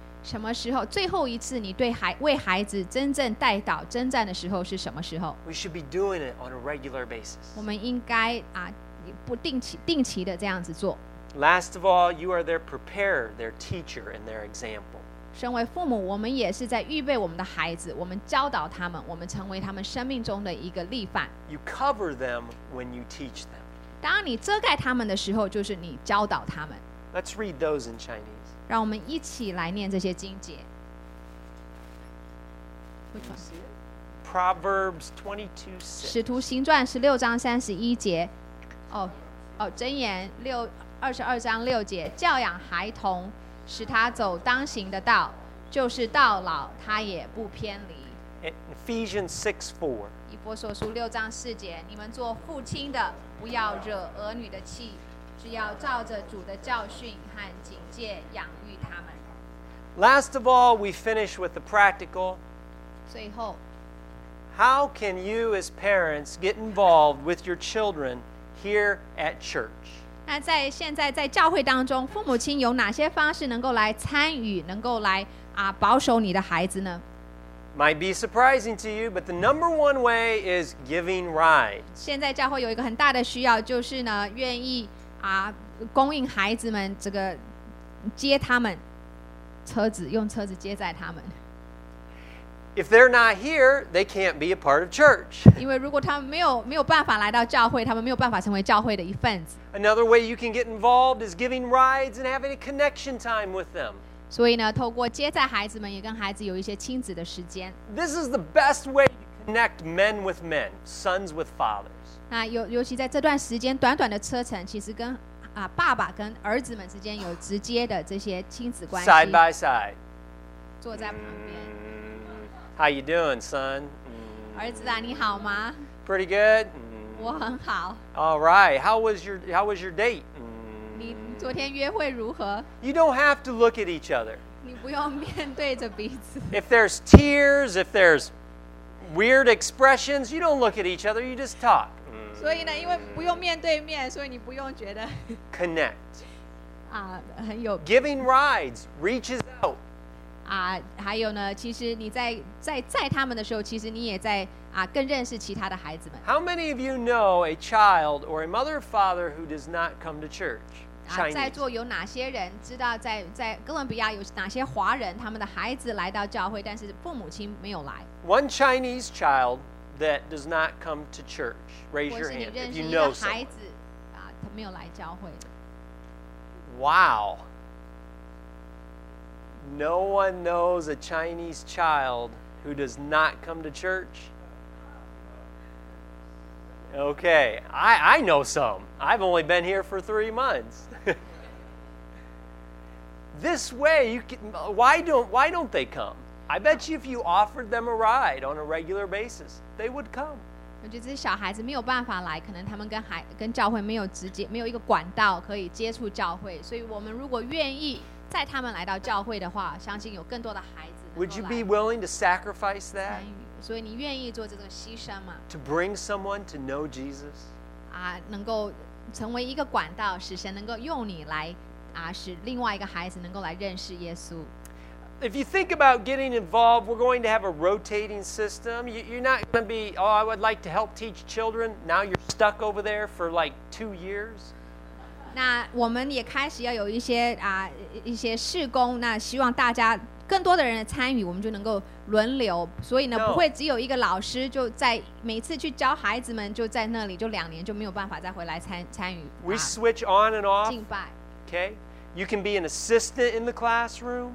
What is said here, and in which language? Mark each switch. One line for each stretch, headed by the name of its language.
Chinese: 什么时候最后一次你对孩为孩子真正代祷征战的时候是什么时候？
English: We should be doing it on a regular basis.
Chinese: 我们应该、啊、不定期定期的这样子做。
English: Last of all, you are their preparer, their teacher, and their example.
Chinese: 身为父母，我们也是在预备我们的孩子，我们教导他们，我们成为他们生命中的一个例范。
English: You cover them when you teach them.
Chinese: 当你遮盖他们的时候，就是你教导他们。
English: Let's read those in Chinese.
Chinese: 让我们一起来念这些经节。
English: Proverbs 22:6.
Chinese: 使徒行传十六章三十一节。箴言六。二十二章六节，教养孩童，使他走当行的道，就是到老他也不偏离。
English: Ephesians 6:4.
Chinese: 以弗所书六章四节，你们做父亲的，不要惹儿女的气，只要照着主的教训和警戒养育他们。
English: Last of all, we finish with the practical.
Chinese: 最后。
English: How can you as parents get involved with your children here at church?
Chinese: 那在现在在教会当中，父母亲有哪些方式能够来参与，能够来、啊、保守你的孩子呢？
English: Might be surprising to you, but the number one way is giving rides.
Chinese: 现在教会有一个很大的需要，就是呢，愿意、啊、供应孩子们这个接他们车子，用车子接载他们。
English: If they're not here, they can't be a part of church.
Chinese: 因为如果他们没有办法来到教会，他们没有办法成为教会的一份子。
English: Another way you can get involved is giving rides and having a connection time with them.
Chinese: 所以呢，透过接载孩子们，也跟孩子有一些亲子的时间。
English: This is the best way to connect men with men, sons with fathers.
Chinese: 那尤其在这段时间短短的车程，其实跟、啊、爸爸跟儿子们之间有直接的这些亲子关系。
English: Side by side.
Chinese: 坐在旁边。
English: How you doing, son?
Chinese: 儿子啊，你好吗？
English: Pretty good.
Chinese: 我很好。
English: All right. How was your date?
Chinese: 你昨天约会如何？
English: You don't have to look at each other.
Chinese: 你不用面对着彼此。
English: If there's tears, if there's weird expressions, you don't look at each other. You just talk.
Chinese: 所以呢，因为不用面对面，所以你不用觉得
English: connect.
Chinese: 啊，很有
English: giving rides reaches out.
Chinese: 还有呢，其实你在他们的时候，其实你也在、更认识其他的孩子们。
English: How many of you know a child or a mother or father who does not come to church?
Chinese: 在座有哪些人知道在哥伦比亚有哪些华人，他们的孩子来到教会，但是父母亲没有来？
English: One Chinese child that does not come to church. Raise your hand if you know someone.
Chinese: 孩子啊，他没有来教会的。
English: Wow. No one knows a Chinese child who does not come to church. Okay, I know some. I've only been here for 3 months. This way, you can, why don't they come? I bet you if you offered them a ride on a regular basis, they would come.
Chinese: 我觉得这些小孩子没有办法来，可能他们跟教会没有直接没有一个管道可以接触教会，所以我们如果愿意带他们来到教会的话，相信有更多的孩子能够来。
English: Would you be willing to sacrifice that?
Chinese: 所以你愿意做这个牺牲吗
English: ？To bring someone to know Jesus.
Chinese: 啊，能够成为一个管道，使神能够用你来啊，使另外一个孩子能够来认识耶稣。
English: If you think about getting involved, we're going to have a rotating system. You're not going to be, oh, I would like to help teach children. Now you're stuck over there for like 2 years.
Chinese: 那我们也开始要有一些、一些事工，那希望大家更多的人参与，我们就能够轮流。所以呢，
English: no.
Chinese: 不会只有一个老师就在每次去教孩子们就在那里就两年就没有办法再回来参与。
English: We switch on and off.
Chinese: 敬拜。
English: Okay. You can be an assistant in the classroom.